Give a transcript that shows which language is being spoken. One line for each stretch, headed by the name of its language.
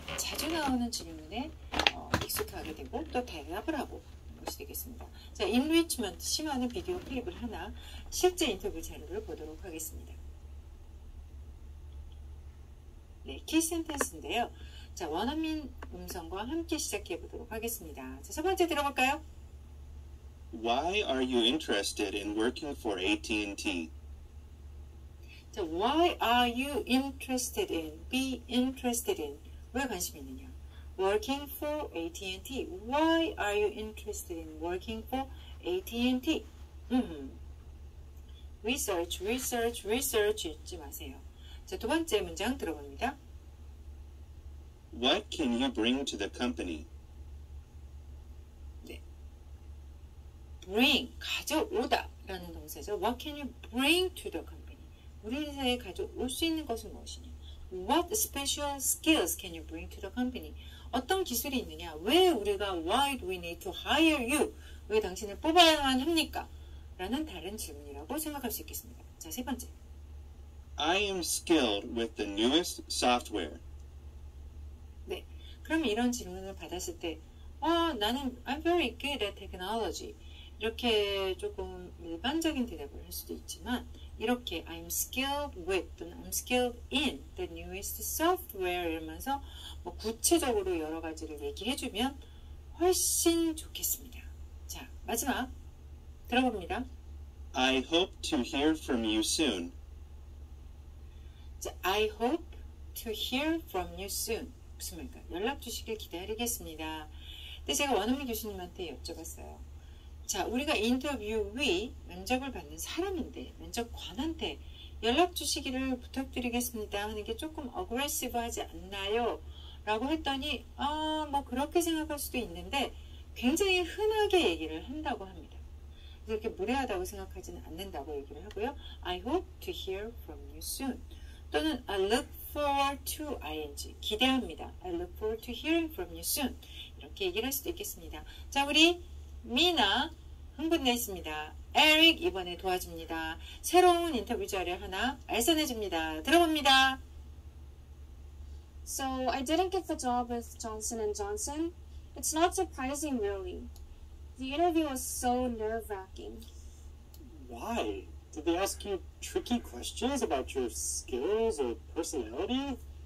Korean: 자주 나오는 질문에 익숙하게 되고 또 대답을 하고 것이 되겠습니다. 자, enrichment 심화는 비디오 클립을 하나 실제 인터뷰 자료를 보도록 하겠습니다. 네, 키 센텐스인데요. 자, 원어민 음성과 함께 시작해 보도록 하겠습니다. 자, 첫 번째 들어볼까요?
English: Why are you interested in working for AT&T? 자, why are you interested in, be interested in?
Korean: 왜 관심 있느냐?
English: Working for AT&T. Why are you interested in working for AT&T? Research, research, research
Korean: 잊지 마세요. 자, 두 번째 문장 들어봅니다.
English: What can you bring to the company? Bring,
Korean: 가져오다라는 동사죠.
English: What can you bring to the company?
Korean: 우리 회사에 가져올 수 있는 것은 무엇이냐?
English: What special skills can you bring to the company?
Korean: 어떤 기술이 있느냐? 왜 우리가
English: why do we need to hire you?
Korean: 왜 당신을 뽑아야만 합니까? 라는 다른 질문이라고 생각할 수 있겠습니다. 자, 세 번째.
English: I am skilled with the newest software.
Korean: 네. 그럼 이런 질문을 받았을 때, 나는
English: I'm very good at technology.
Korean: 이렇게 조금 일반적인 대답을 할 수도 있지만, 이렇게
English: I'm skilled with
Korean: 또는
English: I'm skilled in the newest software
Korean: 이러면서 뭐 구체적으로 여러 가지를 얘기해주면 훨씬 좋겠습니다. 자, 마지막 들어봅니다.
English: I hope to hear from you soon. 자, I hope to hear from you soon.
Korean: 무슨 말일까? 연락 주시길 기다리겠습니다. 근데 제가 원어민 교수님한테 여쭤봤어요. 자, 우리가 인터뷰위 면접을 받는 사람인데 면접관한테 연락 주시기를 부탁드리겠습니다 하는 게 조금 어그레시브하지 않나요? 라고 했더니 뭐 그렇게 생각할 수도 있는데 굉장히 흔하게 얘기를 한다고 합니다. 그렇게 무례하다고 생각하지는 않는다고 얘기를 하고요.
English: I hope to hear from you soon
Korean: 또는
English: I look forward to ing
Korean: 기대합니다.
English: I look forward to hearing from you soon
Korean: 이렇게 얘기를 할 수도 있겠습니다. 자, 우리 미나, 흥분됐습니다. 에릭, 이번에 도와줍니다. 새로운 인터뷰 자료 하나 알선해줍니다. 들어봅니다.
English: So, I didn't get the job with Johnson & Johnson. It's not surprising, really. The interview was so nerve-wracking. Why? Did they ask you tricky questions about your skills or personality?